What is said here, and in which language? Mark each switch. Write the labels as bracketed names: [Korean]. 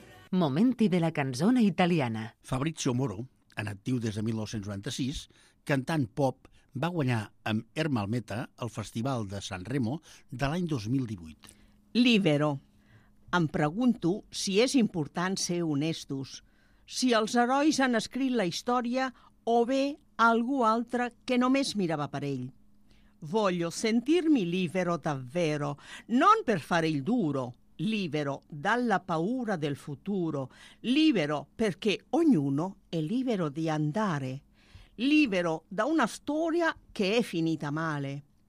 [Italian] Momenti della canzone italiana. [Catalan] Fabrizio Moro, en actiu des de 1996, cantant pop, va guanyar amb Ermalmeta el Festival de San Remo de l'any 2018. [Italian] Libero. [Catalan] Em pregunto si és important ser honestos, si els herois han escrit la història o bé algú altre que només mirava per ell. [Italian] Voglio sentirmi libero davvero, non per fare il duro, libero dalla paura del futuro, libero perché ognuno è libero di andare, libero da una storia che è finita male.